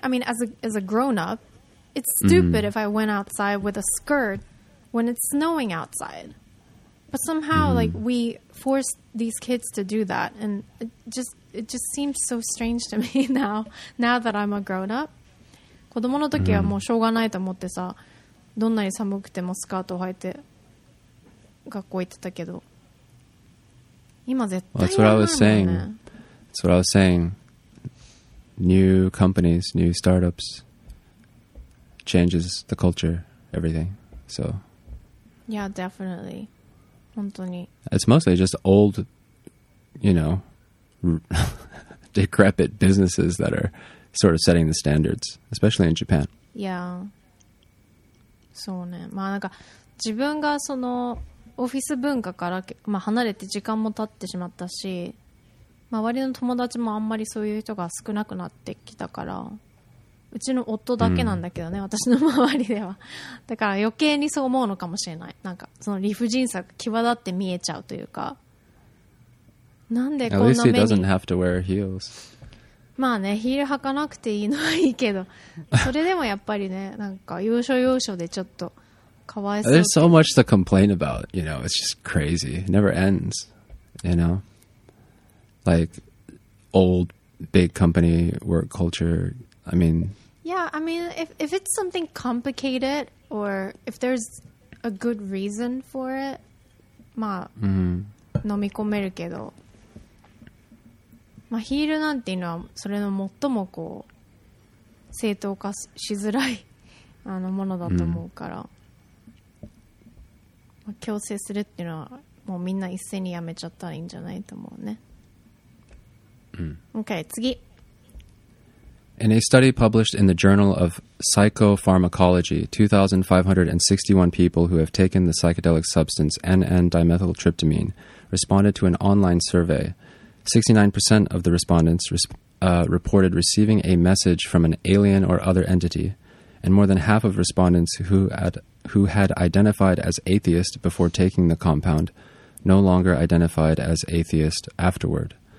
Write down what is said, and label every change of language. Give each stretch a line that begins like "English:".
English: I mean, as a grown up, it's stupid、mm. if I went outside with a skirt when it's snowing outside. But somehow,、mm. like, we forced these kids to do that. And it just seems so strange to me now that I'm a grown up.
Japanese: 子供の時はもうしょうがないと思ってさ、どんなに寒くてもスカートを履いて学校行ってたけど、今絶対やらないもんね。
English: That's what I was saying. That's what I was saying. New companies, new startups changes the culture, everything. So. Yeah, definitely. 本当に。 It's mostly just old, you know,decrepit businesses that are sort of setting the standards, especially in Japan. Yeah. そうね。
Japanese: まあなんか自分がそのオフィス文化から、まあ、離れて時間も経ってしまったし、周りの友達もあんまりそういう人が少なくなってきたから、うちの夫だけなんだけどね、mm. 私の周りでは。だから余計にそう思うのかもしれない。なんかその理不尽さが際立って見えちゃうというか。なんでこんな目に。
English: At least he doesn't have to wear heels.
Japanese: まあね、ヒール履かなくていいのはいいけど、それでもやっぱりね、なんか要所要所でちょっとかわいそう。
English: There's so much to complain about, you know, it's just crazy. It never ends, you know? Like, old, big company work culture, I mean... Yeah, I mean, if it's something complicated, or if there's a good reason for it, まあ、 mm-hmm.
Japanese: 飲み込めるけど、まあ、ヒールなんていうのはそれの最もこう正当化しづらいあのものだと思うから、mm. まあ、強制するっていうのはもうみんな一斉にやめちゃったらいいんじゃないと思うね、 mm. OK 次。
English: In a study published in the Journal of Psychopharmacology, 2,561 people who have taken the psychedelic substance N,N-dimethyltryptamine responded to an online survey. 69% of the respondents reported receiving a message from an alien or other entity, and more than half of respondents who had identified as atheist before taking the compound no longer identified as atheist afterward.